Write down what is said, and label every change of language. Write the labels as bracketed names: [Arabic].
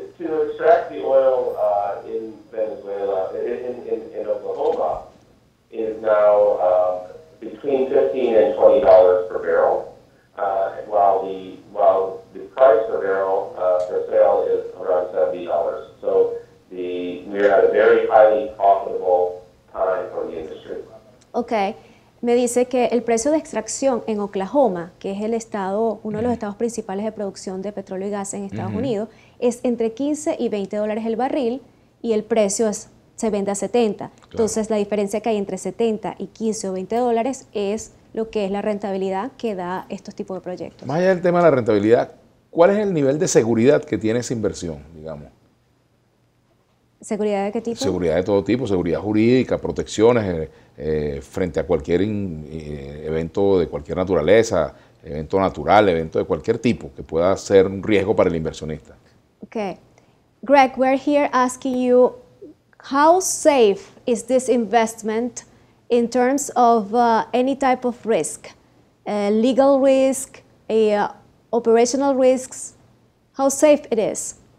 [English] To extract the oil in Venezuela, in Oklahoma, is now between $15 and $20 per barrel, while the price per barrel for sale is around $70. So we're at a very highly profitable time for the industry. [Spanish] Ok, me dice que el precio de extracción en Oklahoma, que es el estado, uno de los estados principales de producción de petróleo y gas en Estados Unidos, es entre $15 y $20 el barril y el precio es, se vende a 70. Claro. Entonces la diferencia que hay entre 70 y 15 o 20 dólares es lo que es la rentabilidad que da estos tipos de proyectos. Más allá del tema de la rentabilidad, ¿cuál es el nivel de seguridad que tiene esa inversión, digamos? ¿Seguridad de qué tipo? Seguridad de todo tipo, seguridad jurídica, protecciones frente a cualquier evento de cualquier naturaleza, evento natural, evento de cualquier tipo que pueda ser un riesgo para el inversionista. Okay. [English] Greg, we're here asking you, how safe is this investment in terms of any type of risk? Legal risk, operational risks, how safe it is?